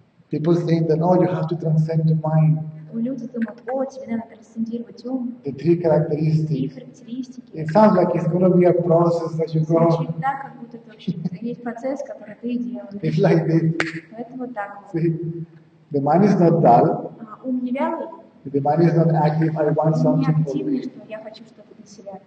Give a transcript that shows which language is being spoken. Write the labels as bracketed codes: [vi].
[en] People think that, oh, you have to transcend the mind. [ru] Люди думают, о, тебе надо трансцендировать ум. [en] The three characteristics. [ru] Три характеристики. [en] It sounds like it's going to be a process that you go. [ru] Звучит так, как будто это вообще есть процесс, который ты делаешь. [en] It's like this. [ru] Поэтому так. [en] See, the mind is not dull. [ru] Ум не вялый. [en] The mind is not active. I want something for me. [ru] Что я хочу что-то для себя.